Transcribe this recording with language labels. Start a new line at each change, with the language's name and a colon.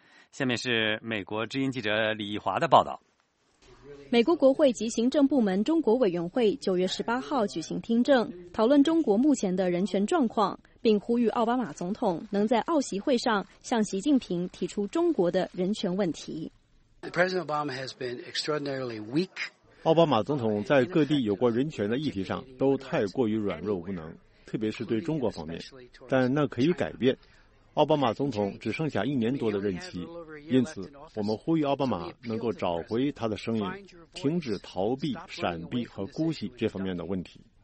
Chinese: 下面是美国之音记者李毅华的报道。美国国会及行政部门中国委员会9月18号举行听证，讨论中国目前的人权状况，并呼吁奥巴马总统能在奥席会上向习近平提出中国的人权问题。
English: President Obama has been extraordinarily weak.
Chinese: 奥巴马总统在各地有过人权的议题上都太过于软弱无能，特别是对中国方面，但那可以改变。奥巴马总统只剩下一年多的任期，因此我们呼吁奥巴马能够找回他的声音，停止逃避、闪避和姑息这方面的问题。